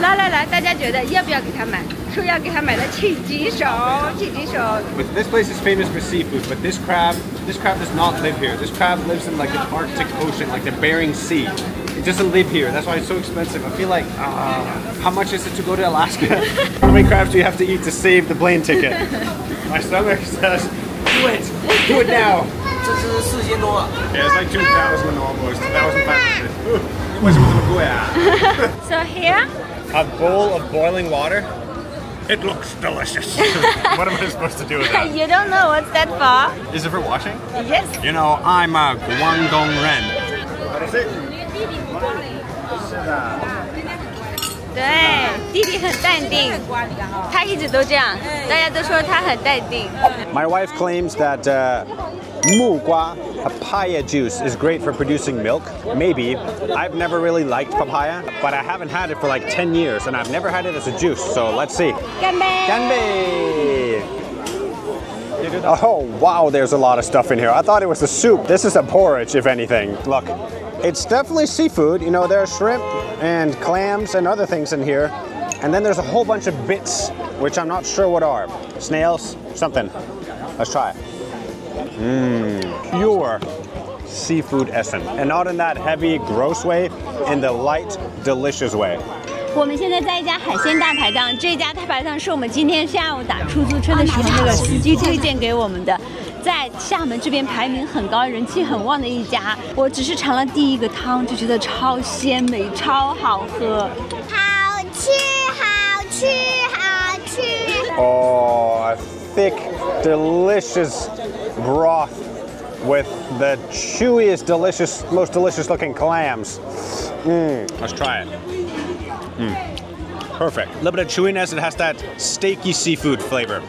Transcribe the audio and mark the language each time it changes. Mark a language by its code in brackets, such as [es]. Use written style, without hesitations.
[zh] 来来来，大家觉得要不要给他买？说要给他买了，请举手，请举手。 [en] But this place is famous for seafood, but this crab does not live here. This crab lives in like an Arctic ocean, like the Bering Sea. It doesn't live here. That's why it's so expensive. I feel like, how much is it to go to Alaska? How many crabs do you have to eat to save the plane ticket? My stomach says, do it now. This is 4,000多. Yeah, it's like 2,000 almost, 2,500. So here? A bowl of boiling water. It looks delicious. What am I supposed to do with that? You don't know what's that for. Is it for washing? Yes. You know, I'm a Guangdong Ren. What is it? [zh] 对，弟弟很淡定，他一直都这样，大家都说他很淡定。 [en] My wife claims that木瓜 papaya juice is great for producing milk. Maybe. I've never really liked papaya, but I haven't had it for like 10 years, and I've never had it as a juice, so let's see. [zh] 干杯！干杯！ [en] Oh, wow, there's a lot of stuff in here. I thought it was a soup. This is a porridge, if anything. Look, it's definitely seafood. You know, there are shrimp and clams and other things in here. And then there's a whole bunch of bits, which I'm not sure what are. Snails, something. Let's try it. Pure seafood essence. And not in that heavy, gross way, in the light, delicious way. [zh] 我们现在在一家海鲜大排档，这家大排档是我们今天下午打出租车的时候那个司机推荐给我们的，在厦门这边排名很高，人气很旺的一家。我只是尝了第一个汤，就觉得超鲜美，超好喝，好吃，好吃，好吃。 [en] Oh, a thick, delicious broth with the chewiest, delicious, most delicious-looking clams. Let's try it. perfect. A little bit of chewiness, it has that steaky seafood flavor.